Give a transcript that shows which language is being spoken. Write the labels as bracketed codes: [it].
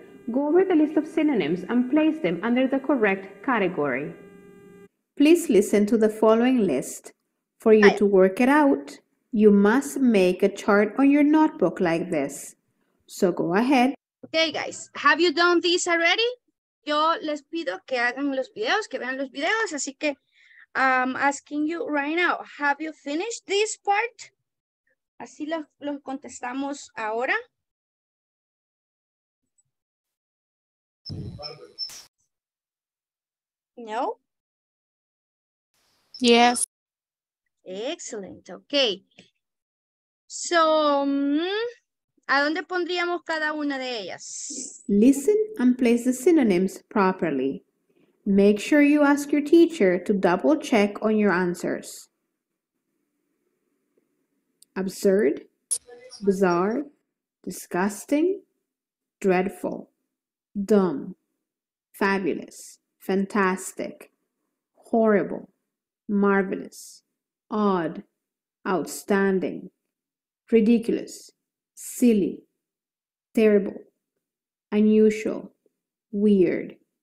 [en] go over the list of synonyms and place them under the correct category. Please listen to the following list. For you to work it out, you must make a chart on your notebook like this. So go ahead. Okay, guys, have you done this already? [es] Yo les pido que hagan los videos, que vean los videos. Así que [en] I'm asking you right now, have you finished this part? [es] Así lo contestamos ahora. No? [en] Yes. Excellent. Okay. So, [es] ¿a dónde pondríamos cada una de ellas? [en] Listen and place the synonyms properly. Make sure you ask your teacher to double check on your answers. Absurd, bizarre, disgusting, dreadful, dumb, fabulous, fantastic, horrible, marvelous, odd, outstanding, ridiculous, silly, terrible, unusual, weird.